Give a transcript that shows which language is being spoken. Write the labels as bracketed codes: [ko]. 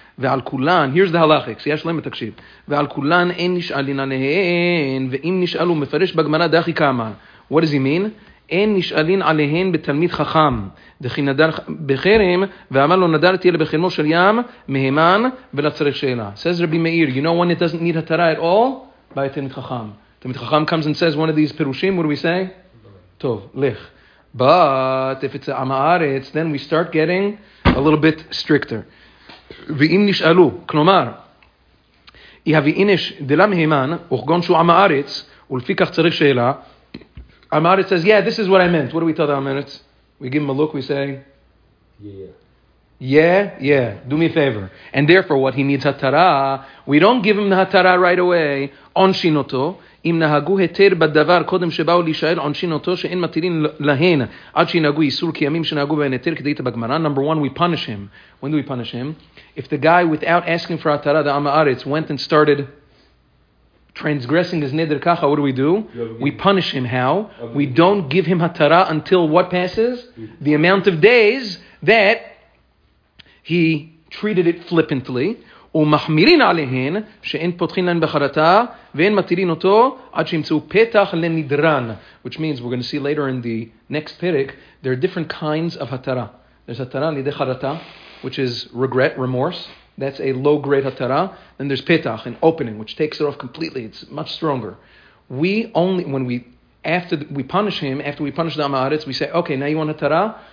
[he] ועל כולן, here's the halachic, שיש להם מתקשיב, ועל כולן אין נשאלין עליהן, ואם נשאלו מפרש בגמרא דחי כמה. What does he mean? אין נשאלין עליהן בתלמיד חכם, דכי נדר בחרם, ואמר לו נדרתי אלה בחרמו של ים, מהימן, ולצריך שאלה. [en] Says רבי מאיר, you know when it doesn't need התרה at all? בא תלמיד חכם. תלמיד חכם comes and says one of these פירושים, what do we say? טוב, לך. But if it's עם הארץ, then we start getting a little bit stricter. [he] ואם נשאלו, כלומר, יהבי אינש דלה מהימן, אוכגון שהוא עם הארץ, ולפי כך צריך שאלה, עם הארץ says, yeah, this is what I meant. [en] What do we tell the עם הארץ? We give him a look, we say, yeah, do me a favor. [he] And therefore, what he needs, התרה, we don't give him the התרה right away, עונשין אותו, אם נהגו היתר בדבר קודם שבאו להישאל עונשין אותו, שאין מתירים להן, עד שינהגו איסור כימים שנהגו בהן היתר, כדי את הבגמרה. [en] Number one, we punish him. When do we punish him? If the guy, without asking for התרה, the עם הארץ, went and started transgressing his neder kacha, what do? We punish him. How? We don't give him hatara until what passes? The amount of days that he treated it flippantly. [he] ומחמירין עליהן שאין פותחין להן בחרתה ואין מתירין אותו עד שימצאו פתח לנדרן. [en] Which means we're going to see later in the next פרק, there are different kinds of hatara. There's hatara לידי חרתה, which is regret, remorse. That's a low-grade hatara. Then there's petach, an opening, which takes it off completely. It's much stronger. We only, after we punish the Am HaAretz, we say, okay, now you want hatara?